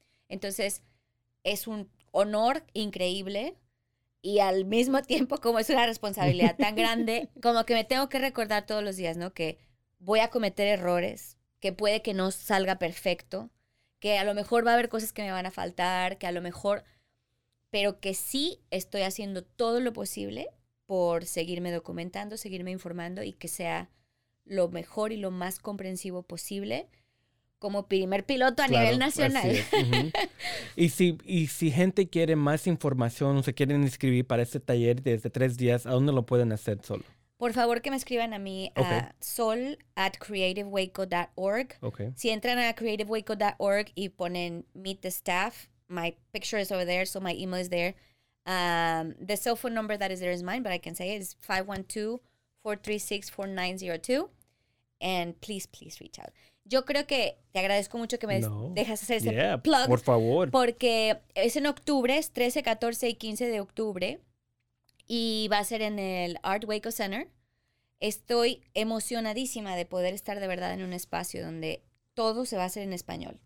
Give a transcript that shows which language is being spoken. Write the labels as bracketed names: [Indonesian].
[Spanish] Entonces, es un honor increíble y al mismo tiempo, como es una responsabilidad tan grande, como que me tengo que recordar todos los días, ¿no?, que voy a cometer errores, que puede que no salga perfecto, que a lo mejor va a haber cosas que me van a faltar, que a lo mejor, pero que sí estoy haciendo todo lo posible por seguirme documentando, seguirme informando y que sea lo mejor y lo más comprensivo posible como primer piloto a nivel nacional. Y si gente quiere más información o se quieren inscribir para este taller desde 3 días, ¿a dónde lo pueden hacer solo? Por favor que me escriban a mí a sol@creativewaco.org. [English] Okay. [Spanish] Si entran a creativewaco.org y ponen [English] meet the staff, my picture is over there, so my email is there. The cell phone number that is there is mine, but I can say it is 512-436-4902. And please reach out. [Spanish] Yo creo que te agradezco mucho que me dejas hacer ese plug. Por favor. Porque es en octubre, es 13, 14 y 15 de octubre. y va a ser en el Art Waco Center. Estoy emocionadísima de poder estar de verdad en un espacio donde todo se va a hacer en español.